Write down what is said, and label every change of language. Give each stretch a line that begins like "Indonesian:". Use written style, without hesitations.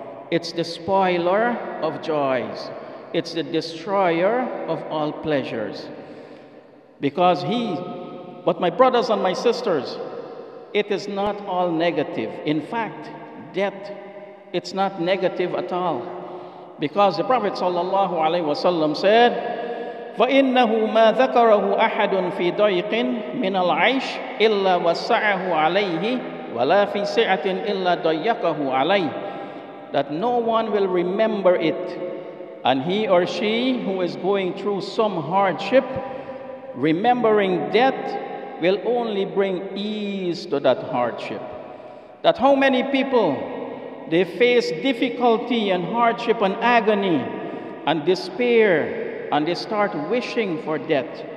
English: It's the spoiler of joys. It's the destroyer of all pleasures. But my brothers and my sisters, it is not all negative. In fact, death, it's not negative at all. Because the Prophet sallallahu alaihi wasallam said,
Arabic: فَإِنَّهُ مَا ذَكَرَهُ أَحَدٌ فِي ضَيْقٍ مِنَ الْعَيْشِ إِلَّا وَسَعَهُ عَلَيْهِ وَلَا فِي سِعَةٍ إِلَّا ضَيَّقَهُ عَلَيْهِ.
English: That no one will remember it, and he or she who is going through some hardship, remembering death will only bring ease to that hardship. That how many people, they face difficulty and hardship and agony and despair, and they start wishing for death.